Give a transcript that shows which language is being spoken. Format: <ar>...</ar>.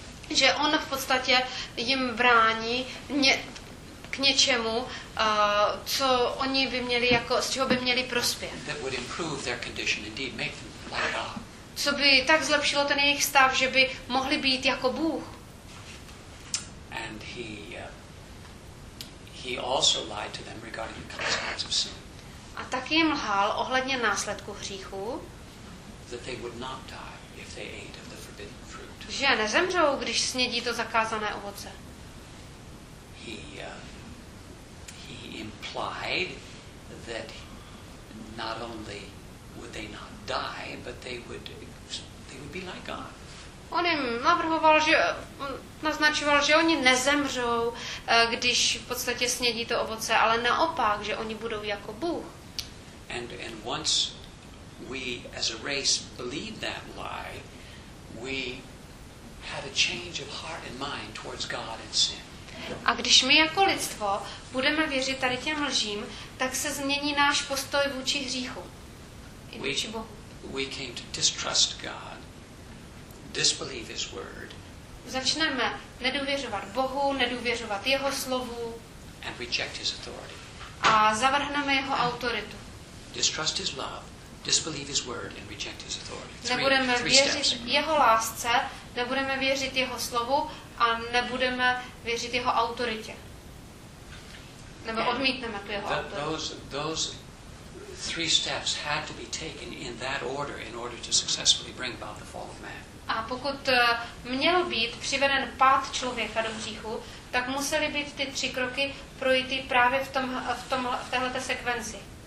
<cs>Že on v podstatě jim brání k něčemu, co oni by měli jako z čeho by měli prospět.</cs> <en>That would improve their condition, indeed make them like God.</en> <cs>Co by tak zlepšilo ten jejich stav, že by mohli být jako Bůh.</cs> <en>And he also lied to them regarding the consequences of sin.</en> <cs>A taky jim lhal ohledně následku hříchu.</cs> <en>That they would not die if they ate of the forbidden fruit.</en> <cs>Že nezemřou, když snědí to zakázané ovoce.</cs> <en>He implied that not only would they not die, but they would be like God.</en> <cs>On jim navrhoval, že naznačoval, že oni nezemřou, když v podstatě snědí to ovoce, ale naopak, že oni budou jako Bůh.</cs> <en>And once we as a race believe that lie, we have a change of heart and mind towards God and sin.</en> <cs>A když my jako lidstvo budeme věřit tady těm lžím, tak se změní náš postoj vůči hříchu. I vůči Bohu.</cs> <en>We came to distrust God. Disbelieve his word.</en> <cs>Začneme nedůvěřovat Bohu, nedůvěřovat jeho slovu.</cs> <en>And reject his authority.</en> <cs>A zavrhneme jeho autoritu.</cs> <en>Distrust his love, disbelieve his word and reject his authority.</en> <cs>Nebudeme věřit jeho lásce, nebudeme věřit jeho slovu a nebudeme věřit jeho autoritě. Nebo odmítneme tu jeho autoritu.</cs> <en>Those three steps had to be taken in that order in order to successfully bring about the fall of man.</en> <cs>A pokud měl být přiveden pád člověka do hříchu, tak musely být ty tři kroky projity právě v téhleté sekvenci.</cs>